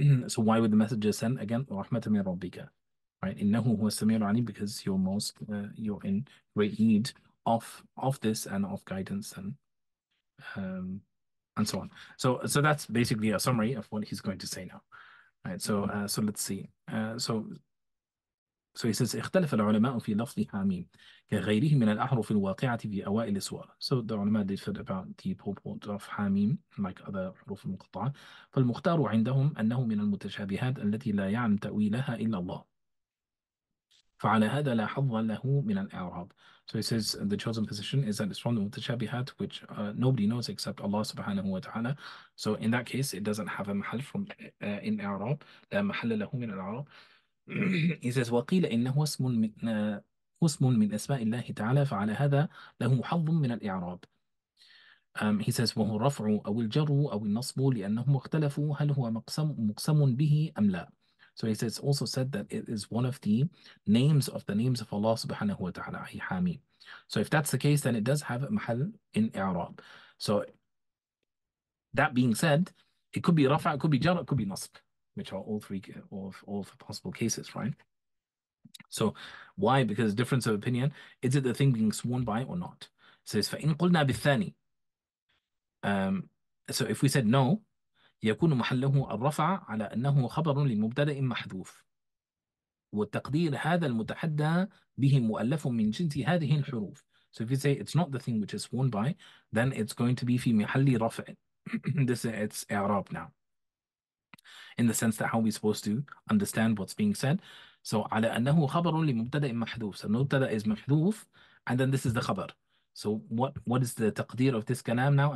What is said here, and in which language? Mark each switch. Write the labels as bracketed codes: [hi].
[en] So why would the messenger send again [ar] rahmatan min rabbika, [en] right? [ar] Innahu huwa as-sami'ul 'alim, [en] because you're in great need of this and of guidance and so on. So that's basically a summary of what he's going to say now. Right. So let's see. So he says, [ar] اختلف العلماء في لفظ حاميم كغيره من الأحرف الواقعة في أوائل السور. [en] So the ulama differed about the purport of حاميم like other حروف المقطعة. [ar] فالمختار عندهم أنه من المتشابهات التي لا يعلم تأويلها إلا الله. فعلى هذا لا حظ له من الإعراب. [en] So he says the chosen position is that it's from the mutashabihat, which nobody knows except Allah subhanahu wa ta'ala. So in that case, it doesn't have a mahal from in Arab. [ar] لا محل له من الإعراب. [en] He says [ar] وقيل إنه اسم من أسماء الله تعالى فعلى هذا له حظ من الإعراب. [en] He says [ar] وهو الرفع أو الجر أو النصب لأنهم اختلفوا هل هو مقسم به أم لا. [en] So he says, also said that it is one of the names of the names of Allah subhanahu wa ta'ala, Hamim. So if that's the case, then it does have a mahal in I'rab. So that being said, it could be rafa, it could be jar, it could be nasb, which are all the possible cases, right? So why? Because difference of opinion, is it the thing being sworn by or not? It says, [ar] فَإِن قُلْنَا بِالثَّانِي. [en] So if we said no, [ar] يكون محله الرفع على أنه خبر لمبتدأ محذوف والتقدير هذا المتحدى به مؤلف من جنس هذه الحروف. [en] So if you say it's not the thing which is worn by, then it's going to be [ar] في محل رفع. [en] This it's إعراب now. In the sense that how we supposed to understand what's being said. So [ar] على أنه خبر لمبتدأ محذوف. [en] So المبتدأ is محذوف and then this is the خبر. So what is the تقدير of this كلام now?